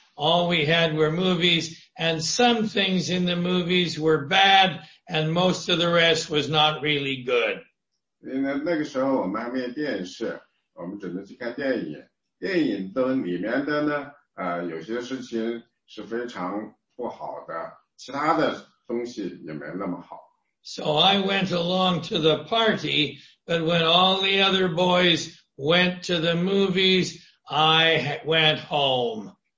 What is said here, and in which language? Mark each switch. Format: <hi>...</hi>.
<en>All we had were movies, and some things in the movies were bad, and most of the rest was not really good.</en> <zh>因为那个时候我们还没有电视，我们只能去看电影。电影都里面的呢，有些事情是非常不好的。</zh> <en>So I went along to the party, but when all the other boys went to the movies, I went home.</en>